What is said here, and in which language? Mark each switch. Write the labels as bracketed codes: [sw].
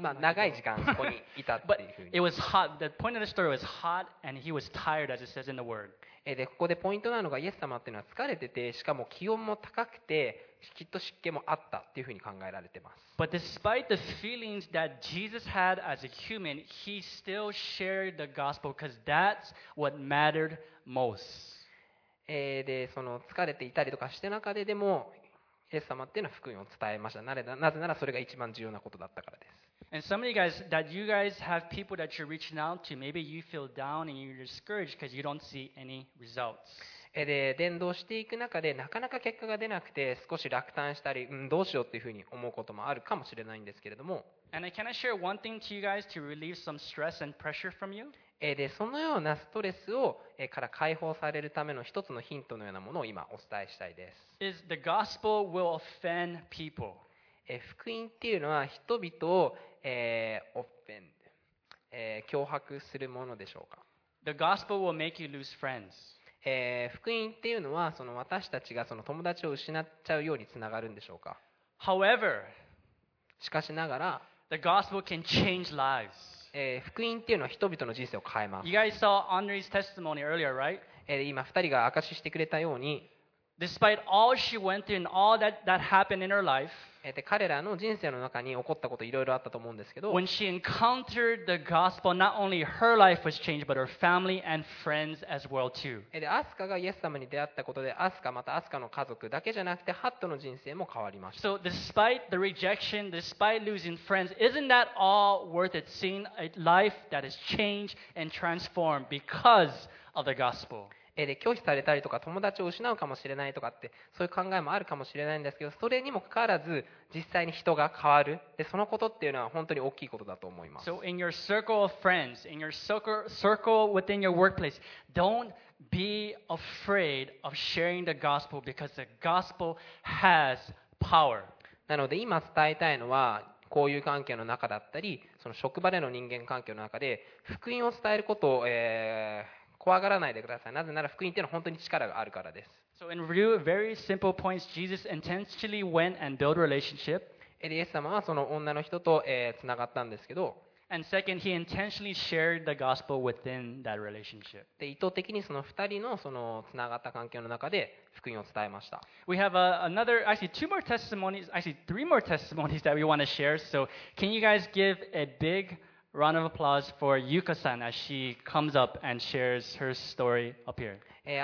[ja] まあ長い時間そこにいたっていうふうに。 [en] But it was hot. The point of the story was hot, and he was tired, as it says in the word. [ja] でここでポイントなのが、イエス様っていうのは疲れてて、しかも気温も高くて、きっと湿気もあったっていうふうに考えられてます。 [en] But despite the feelings that Jesus had as a human, he still shared the gospel because that's what mattered most. [ja] でその疲れていたりとかして中で、でもイエス様っていうのは福音を伝えました。なぜならそれが一番重要なことだったからです。 [en] And some of you guys, that you guys have people that you're reaching out to, maybe you feel down and you're discouraged because you don't see any results. [ja] で、伝道していく中でなかなか結果が出なくて、少し落胆したり、どうしようっていうふうに思うこともあるかもしれないんですけれども。 [en] And can I share one thing to you guys to relieve some stress and pressure from you? [ja] でそのようなストレスをから解放されるための一つのヒントのようなものを今お伝えしたいです。 [en] Is the gospel will offend people. [ja] 福音っていうのは人々を、脅迫するものでしょうか。 [en] The gospel will make you lose friends. [ja] 福音っていうのはその私たちがその友達を失っちゃうようにつながるんでしょうか。 [en] However, [ja] しかしながら [en] The gospel can change lives. [ja] 福音っていうのは人々の人生を変えます。 [en] You guys saw Andre's testimony earlier, right? [ja] 今2人が証ししてくれたように、 [en] Despite all she went through and all that happened in her life, [ja] 彼らの人生の中に起こったこといろいろあったと思うんですけど、 [en] When she encountered the gospel, not only her life was changed, but her family and friends as well too. [ja] アスカがイエス様に出会ったことで、アスカまたアスカの家族だけじゃなくて、ハットの人生も変わりました。 [en] So despite the rejection, despite losing friends, isn't that all worth it? Seeing a life that is changed and transformed because of the gospel. [ja] で拒否されたりとか友達を失うかもしれないとかってそういう考えもあるかもしれないんですけど、それにもかかわらず実際に人が変わる、でそのことっていうのは本当に大きいことだと思います。 [en] So in your circle of friends, in your circle within your workplace, don't be afraid of sharing the gospel because the gospel has power. [ja] なので今伝えたいのは、交友関係の中だったり、その職場での人間関係の中で福音を伝えることを、怖がらないでください。なぜなら福音というのは本当に力があるからです。 [en] So in real, very simple points, Jesus intentionally went and built a relationship. [ja] イエス様はその女の人と、つながったんですけど、 [en] And second, he intentionally shared the gospel within that relationship. [ja] で、意図的にその2人のそのつながった関係の中で福音を伝えました。 [en] We have another, actually two more testimonies, actually three more testimonies that we want to share. So can you guys give a big round of applause for Yuka-san as she comes up and shares her story up here.